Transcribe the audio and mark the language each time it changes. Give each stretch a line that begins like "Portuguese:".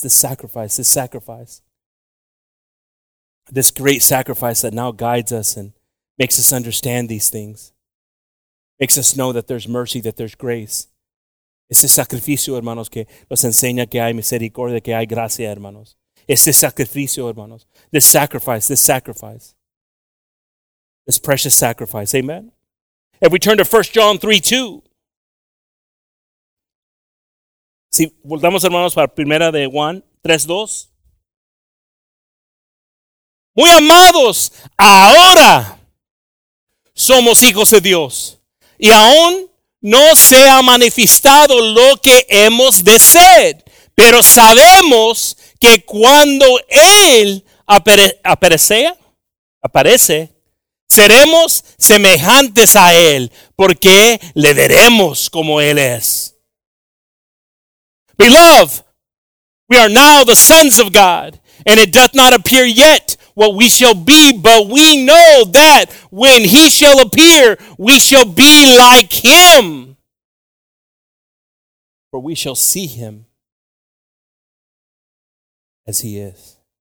English: This great sacrifice that now guides us and makes us understand these things. Makes us know that there's mercy, that there's grace.
Spanish: Ese sacrificio, hermanos, que nos enseña que hay misericordia, que hay gracia, hermanos. Ese sacrificio, hermanos.
English: This sacrifice, this sacrifice. This precious sacrifice, amen? If we turn to 1 John 3:2.
Spanish: Si volvamos, hermanos, para primera de Juan 3:2. Muy amados, ahora somos hijos de Dios. Y aún no se ha manifestado lo que hemos de ser. Pero sabemos que cuando Él aparece, seremos semejantes a Él, porque le veremos como Él es.
English: Beloved, we are now the sons of God, and it doth not appear yet what we shall be, but we know that when He shall appear, we shall be like Him. For we shall see Him as He is.